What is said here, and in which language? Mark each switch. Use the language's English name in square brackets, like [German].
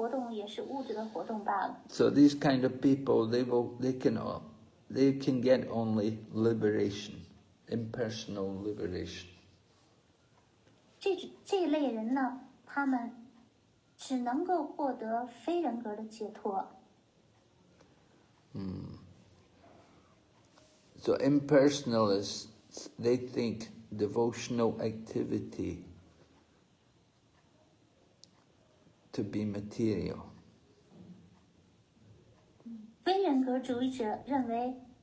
[Chinese] 他们会误以为灵性世界的活动也是物质的活动罢了。So [English] these kind of people, they can get only liberation. Impersonal liberation. [Chinese] 这类人呢, 他们只能够获得非人格的解脱。 [English] So impersonalists, they think devotional activity to be material. [Chinese] 非人格主义者认为